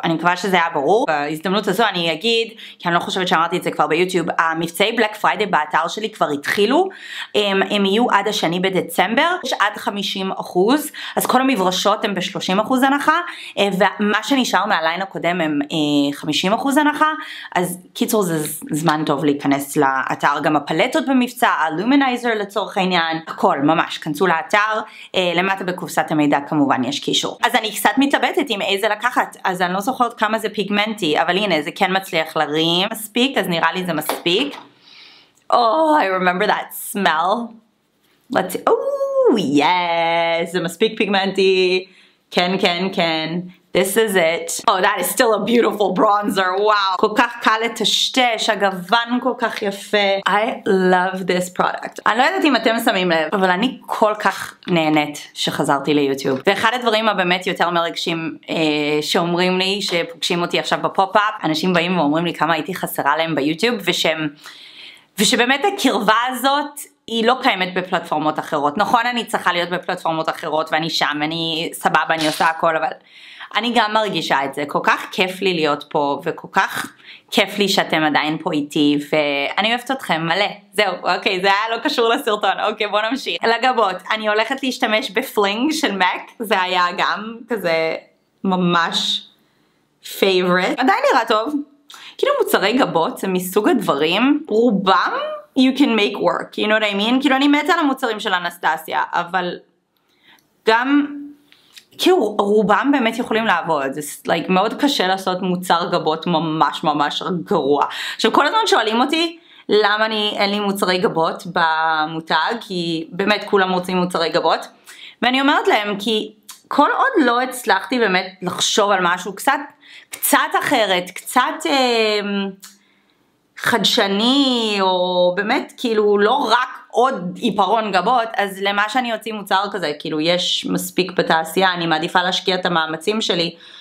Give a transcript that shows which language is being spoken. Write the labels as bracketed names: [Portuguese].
[Hebrew] אני מקווה שזה היה ברור. בהזדמנות הזו אני אגיד, כי אני לא חושבת שאמרתי את זה כבר ביוטיוב, המבצעי בלק פריידי באתר שלי כבר התחילו, הם יהיו עד השני בדצמבר, יש עד 50%, אז כל המברשות הן ב-30% הנחה, ומה שנשאר מהליין הקודם הן 50% הנחה, אז קיצור זה זמן טוב להיכנס לאתר, גם הפלטות במבצע, הלומינייזר לצורך העניין, הכל, ממש, כנסו לאתר, למטה בקופסת המידע כמובן יש קישור. אז אני קצת מתלבטת עם איזה לקחת, אז אני לא זוכרת כמה זה פיגמנטי, אבל הנה זה כן מצליח להרים מספיק, אז נראה לי זה מספיק. [English] Oh, I remember that smell. Let's see. Oh, yes. [Hebrew] זה מספיק פיגמנטי. כן, כן, כן. [English] This is it. Oh, that is still a beautiful bronzer. [Hebrew] Wow. כל כך קל לטשטש. הגוון כל כך יפה. [English] I love this product. [Hebrew] אני לא יודעת אם אתם שמים לב, אבל אני כל כך נהנית שחזרתי ליוטיוב. ואחד הדברים הבאמת יותר מרגשים שאומרים לי, שפוגשים אותי עכשיו בפופ-אפ, אנשים באים ואומרים לי כמה הייתי חסרה להם ביוטיוב, ושבאמת הקרבה הזאת היא לא קיימת בפלטפורמות אחרות. נכון, אני צריכה להיות בפלטפורמות אחרות ואני שם, אני סבבה, אני עושה הכל, אבל אני גם מרגישה את זה. כל כך כיף לי להיות פה וכל כך כיף לי שאתם עדיין פה איתי ואני אוהבת אתכם מלא. זהו, אוקיי, זה היה לא קשור לסרטון. אוקיי, בוא נמשיך. לגבות, אני הולכת להשתמש בפלינג של מק, זה היה גם כזה ממש פייבורט. עדיין נראה טוב. כאילו מוצרי גבות זה מסוג הדברים, רובם [English] you can make work, you know what I mean? [Hebrew] כאילו אני מתה על המוצרים של אנסטסיה, אבל גם, כאילו רובם באמת יכולים לעבוד, זה like, מאוד קשה לעשות מוצר גבות ממש ממש גרוע. עכשיו כל הזמן שואלים אותי, למה אני, אין לי מוצרי גבות במותג, כי באמת כולם רוצים מוצרי גבות, ואני אומרת להם כי כל עוד לא הצלחתי באמת לחשוב על משהו קצת אחרת, קצת חדשני, או באמת כאילו לא רק עוד עיפרון גבות, אז למה שאני אוציא מוצר כזה, כאילו יש מספיק בתעשייה, אני מעדיפה להשקיע את המאמצים שלי